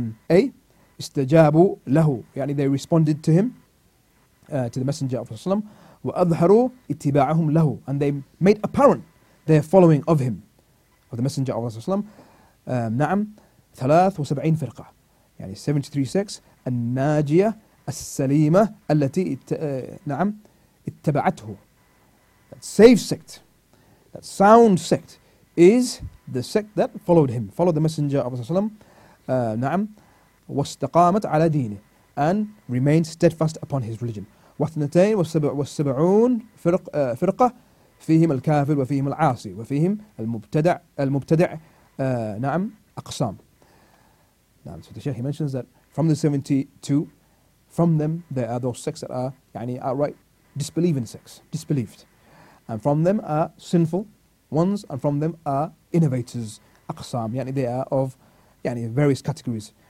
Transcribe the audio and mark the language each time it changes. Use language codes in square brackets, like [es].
[en] A, [ar] استجابوا له, [en] yani they responded to him, to the Messenger of Allah Sallallahu Alaihi Wasallam, [ar] وأظهروا اتباعهم له, [en] and they made apparent their following of him, of the Messenger of Allah. [ar] نعم, 73 فرقة, يعني [en] 73 sects, [ar] الناجية السليمة التي نعم اتبعته. [en] That safe sect, that sound sect, is the sect that followed him, followed the Messenger of Allah. نعم, [ar] واستقامت على دينه, [en] and remained steadfast upon his religion. [ar] واثنتين والسبعون فرقة, فيهم الكافر وفيهم العاصي وفيهم المبتدع نعم أقسام. [en] نعم, so the Shaykh, he mentions that from the 72, from them there are those sects that are يعني outright disbelieving sects, disbelieved, and from them are sinful ones, and from them are innovators, أقسام, يعني they are of يعني various categories.